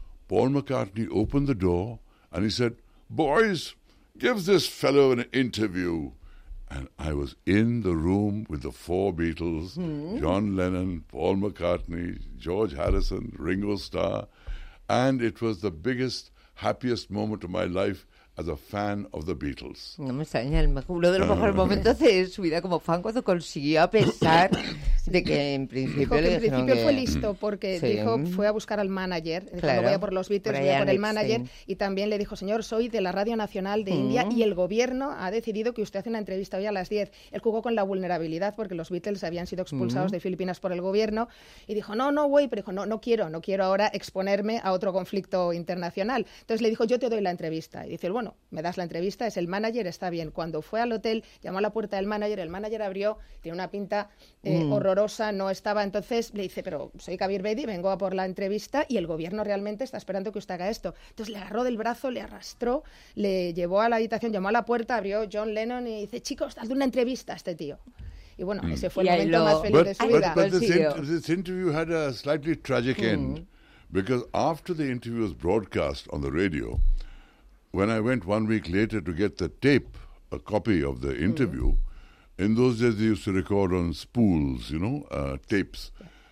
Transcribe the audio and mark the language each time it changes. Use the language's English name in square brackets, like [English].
[English] Paul McCartney opened the door and he said, boys, give this fellow an interview. And I was in the room with the four Beatles, John Lennon, Paul McCartney, George Harrison, Ringo Starr. And it was the biggest, happiest moment of my life as a fan of the Beatles. [Spanish] No me extraña, uno de los mejores momentos de su vida como fan cuando consiguió a pesar de que en principio... Dijo que en principio fue listo porque dijo, fue a buscar al manager. Claro. Dijo, voy a por los Beatles, voy a por el manager. Y también le dijo, señor, soy de la Radio Nacional de India y el gobierno ha decidido que usted hace una entrevista hoy a las 10. Él jugó con la vulnerabilidad porque los Beatles habían sido expulsados de Filipinas por el gobierno. Y dijo, no, no voy, pero dijo, no, no quiero, no quiero ahora exponerme a otro conflicto internacional. Entonces le dijo, yo te doy la entrevista. Y dice, bueno, me das la entrevista, es el manager, está bien. Cuando fue al hotel, llamó a la puerta del manager, el manager abrió, tiene una pinta horrorosa, no estaba. Entonces le dice, pero soy Kabir Bedi, vengo a por la entrevista y el gobierno realmente está esperando que usted haga esto. Entonces le agarró del brazo, le arrastró, le llevó a la habitación, llamó a la puerta, abrió John Lennon y dice, chicos, dadle una entrevista a este tío. Y bueno, ese fue el momento más feliz de su vida. [English] But this interview had a slightly tragic end because after the interview was broadcast on the radio, when I went 1 week later to get the tape, a copy of the interview, in those days they used to record on spools, you know, tapes. Yeah.